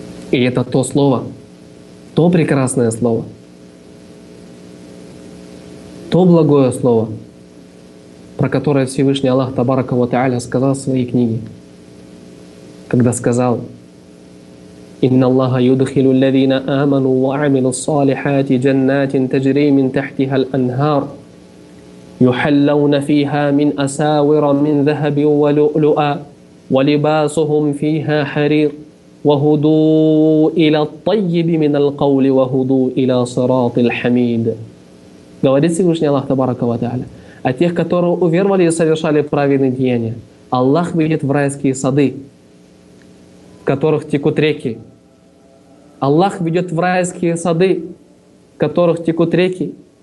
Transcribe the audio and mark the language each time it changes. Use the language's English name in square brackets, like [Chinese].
[Russian] И это то слово, то прекрасное слово, то благое слово, про которое Всевышний Аллах Табарака ва Тааля сказал в своей книге, когда сказал: [Arabic] «Инна Аллаха юдхилу ллазина аману ва амилу ссалихати джаннатин таджри мин тахтиха л-анхар, юхаллауна фиха мин асавира мин захаби ва лу'луа, ва либасухум фиха харир». وهدوء إلى الطيب من القول وهدوء إلى صراط الحميد. [Russian] Говорит Всевышний Аллах Табарака ва Тааля, а тех, которые уверовали и совершали праведные деяния, Аллах ведет в райские сады, в которых текут реки. Аллах ведет в райские сады, в которых текут реки.